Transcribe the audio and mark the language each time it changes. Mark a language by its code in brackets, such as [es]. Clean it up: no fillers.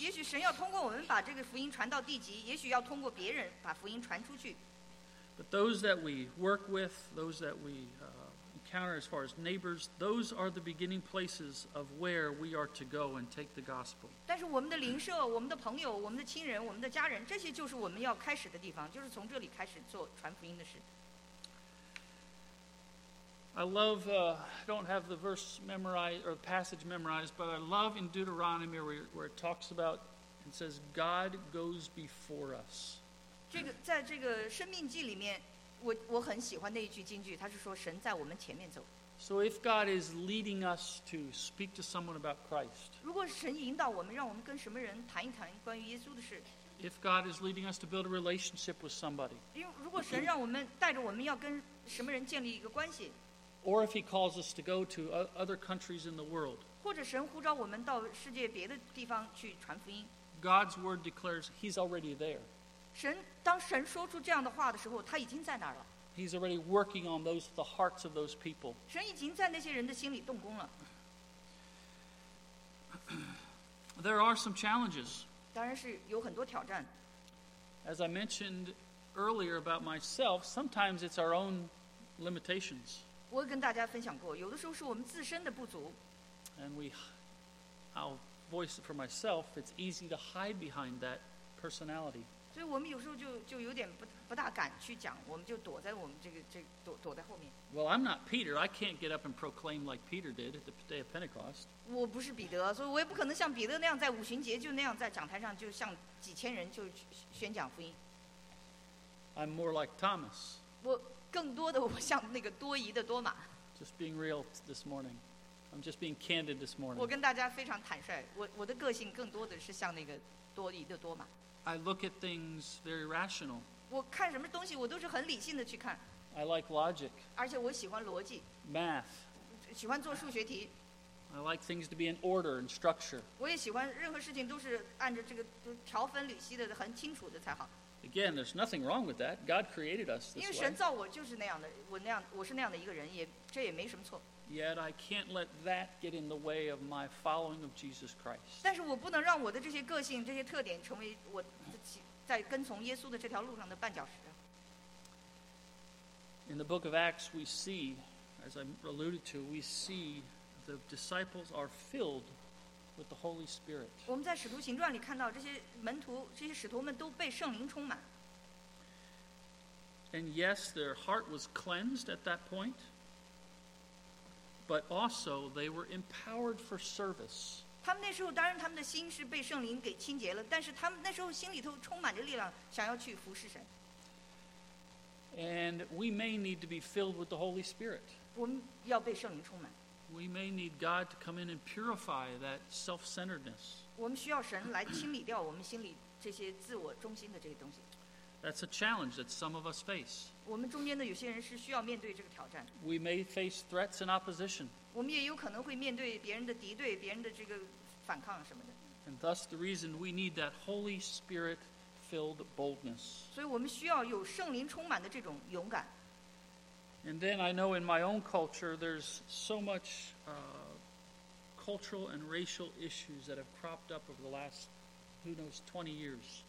[zh] 也许神要通过我们把这个福音传到地极，也许要通过别人把福音传出去。 [en] But those that we work with, those that we encounter as far as neighbors, those are the beginning places of where we are to go and take the gospel. [zh] 但是我们的邻舍、我们的朋友、我们的亲人、我们的家人，这些就是我们要开始的地方，就是从这里开始做传福音的事。 [en] I love, I don't have the verse memorized or the passage memorized, but I love in Deuteronomy where it talks about and says God goes before us. [zh] 这个在这个生命记里面，我很喜欢那一句金句，他是说神在我们前面走。 [en] So if God is leading us to speak to someone about Christ, [zh] 如果神引导我们，让我们跟什么人谈一谈关于耶稣的事。 [en] If God is leading us to build a relationship with somebody, [zh] 因为如果神让我们带着我们要跟什么人建立一个关系。 [en] Or if He calls us to go to other countries in the world, [zh] 或者神呼召我们到世界别的地方去传福音。 [en] God's word declares He's already there. [zh] 神当神说出这样的话的时候，他已经在那儿了。 [en] He's already working on those the hearts of those people. [zh] 神已经在那些人的心里动工了。 [en] There are some challenges. [zh] 当然是有很多挑战。 [en] As I mentioned earlier about myself, sometimes it's our own limitations. [zh] 我跟大家分享过，有的时候是我们自身的不足。 [en] And we, I'll voice it for myself. It's easy to hide behind that personality. [zh] 所以我们有时候就有点不大敢去讲，我们就躲在我们这个躲在后面。 [en] Well, I'm not Peter. I can't get up and proclaim like Peter did at the day of Pentecost. [zh] 我不是彼得，所以我也不可能像彼得那样在五旬节就那样在讲台上就向几千人就宣讲福音。 [en] I'm more like Thomas. [zh] 我。更多的我像那个多疑的多马。 [en] Just being real this morning. I'm just being candid this morning. [zh] 我跟大家非常坦率，我的个性更多的是像那个多疑的多马。 [en] I look at things very rational. [zh] 我看什么东西我都是很理性的去看。 [en] I like logic. [zh] 而且我喜欢逻辑。 [en] Math. [zh] 喜欢做数学题。 [en] I like things to be in order and structure. [zh] 我也喜欢任何事情都是按着这个条分缕析的很清楚的才好。 [en] Again, there's nothing wrong with that. God created us this way. [zh] 因为神造我就是那样的，我是那样的一个人，这也没什么错。 [en] Yet I can't let that get in the way of my following of Jesus Christ. [zh] 但是我不能让我的这些个性、这些特点成为我在跟从耶稣的这条路上的绊脚石。 [en] In the book of Acts, we see, as I alluded to, we see the disciples are filled. With the Holy Spirit. [zh] 我们在《使徒行传》里看到这些门徒、这些使徒们都被圣灵充满。 [en] And yes, their heart was cleansed at that point, but also they were empowered for service. [zh] 他们那时候当然他们的心是被圣灵给清洁了，但是他们那时候心里头充满着力量，想要去服侍神。 [en] And we may need to be filled with the Holy Spirit. [zh] 我们要被圣灵充满。 [en] We may need God to come in and purify that self-centeredness. [zh] 我们需要神来清理掉我们心里这些自我中心的这些东西。 [en] That's a challenge that some of us face. [zh] 我们中间的有些人是需要面对这个挑战。 [en] We may face threats and opposition. [zh] 我们也有可能会面对别人的敌对、别人的这个反抗什么的。 [en] And thus the reason we need that Holy Spirit-filled boldness. [zh] 所以我们需要有圣灵充满的这种勇敢。 [en] And then I know in my own culture, there's so much cultural and racial issues that have cropped up over the last, who knows, 20 years.